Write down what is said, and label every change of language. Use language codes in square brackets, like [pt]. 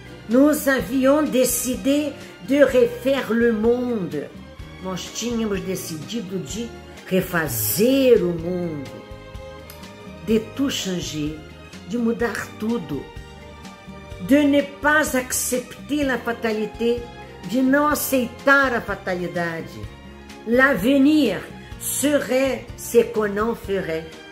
[fr] Nous avions décidé de refaire le monde. [pt] Nós tínhamos decidido de refazer o mundo, [fr] de tout changer, [pt] de mudar tudo, [fr] de ne pas accepter la fatalité, [pt] de não aceitar a fatalidade. [fr] L'avenir serait ce qu'on en ferait.